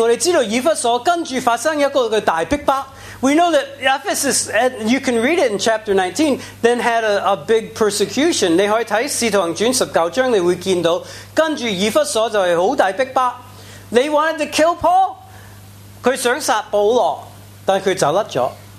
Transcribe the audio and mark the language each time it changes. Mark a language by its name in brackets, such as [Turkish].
[Chinese] 我们知道以弗所跟着发生一个大逼迫。 [English] We know that Ephesus, and you can read it in chapter 19, then had a big persecution. [Chinese] 你可以看《使徒行传》19章，你会见到跟着以弗所就是很大逼迫。 [English] They wanted to kill Paul. [Chinese] 他想杀保罗，但他走掉了。